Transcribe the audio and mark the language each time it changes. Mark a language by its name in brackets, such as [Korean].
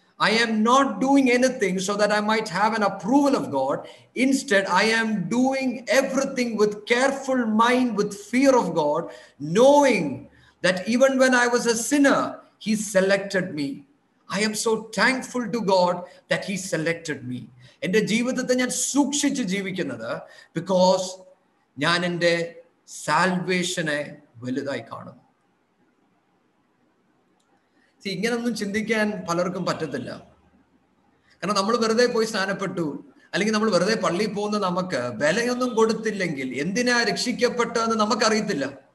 [English] I am not doing anything so that I might have an approval of God. Instead I am doing everything with careful mind with fear of God, knowing that even when I was a sinner he selected me. I am so thankful to God that he selected me. [Malayalam] എൻ്റെ ജീവിതത്തെ ഞാൻ സൂക്ഷിച്ച് ജീവിക്കുന്നത് because ഞാൻ എൻ്റെ സാൽവേഷനെ വലുതായി കാണുന്നു. ഇങ്ങനൊന്നും ചിന്തിക്കാൻ പലർക്കും പറ്റത്തില്ല. കാരണം നമ്മൾ വെറുതെ പോയി സ്നാനപ്പെട്ടു, അല്ലെങ്കിൽ നമ്മൾ വെറുതെ പള്ളിയിൽ പോകുന്ന നമുക്ക് വിലയൊന്നും കൊടുത്തില്ലെങ്കിൽ എന്തിനാ രക്ഷിക്കപ്പെട്ടതെന്ന് നമുക്കറിയത്തില്ല.